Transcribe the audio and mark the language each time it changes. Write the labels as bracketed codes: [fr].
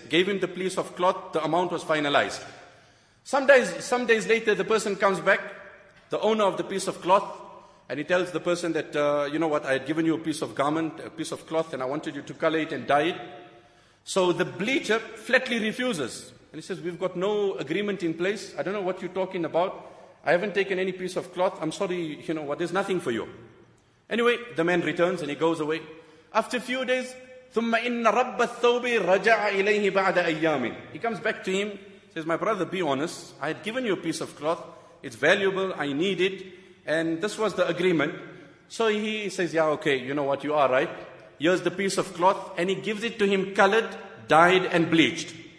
[en] Gave him the piece of cloth. The amount was finalized. Some days later, the person comes back, the owner of the piece of cloth, and he tells the person that, you know what, I had given you a piece of garment, a piece of cloth, and I wanted you to color it and dye it. So the bleacher flatly refuses. And he says, we've got no agreement in place. I don't know what you're talking about. I haven't taken any piece of cloth. I'm sorry, you know what, there's nothing for you. Anyway, the man returns and he goes away. After a few days, [ar] ثُمَّ إِنَّ رَبَّ الثَّوْبِ رَجَعَ إِلَيْهِ بَعْدَ أَيَّامٍ. [en] He comes back to him, says, my brother, be honest. I had given you a piece of cloth. It's valuable. I need it. And this was the agreement. So he says, yeah, okay, you know what, you are right. Here's the piece of cloth. And he gives it to him colored, dyed, and bleached.